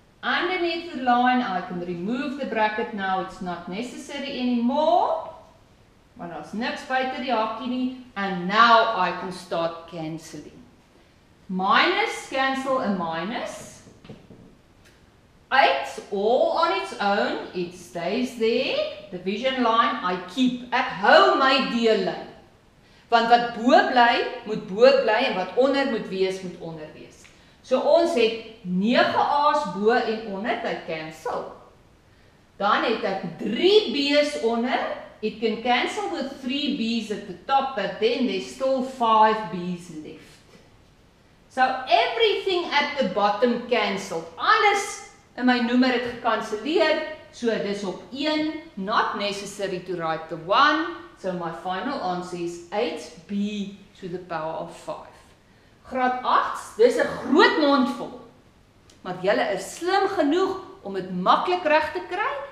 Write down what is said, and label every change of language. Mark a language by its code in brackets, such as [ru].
[en] Underneath the line, I can remove the bracket now. It's not necessary anymore. [af] Want daar's niks buite die hakkie nie. [en] And now I can start cancelling. Minus cancel a minus. 8 all on its own. It stays there. Division line, I keep. [af] Ek hou my deellyn. Want wat bo bly, moet bo bly. En wat onder moet wees, moet onder wees. So ons het 9a's bo en onder, dit cancel. Dan het ek 3b's onder. [en] It can cancel with 3b's at the top, but then there's still 5b's left. So everything at the bottom cancelled. [af] Alles in my noemer het gekanselleer. [en] So [af] dit is op 1, [en] not necessary to write the 1. So my final answer is 8b to the power of 5. [af] Graad 8, dit is een groot mondvol. Maar jylle is slim genoeg om het makkelijk reg te kry.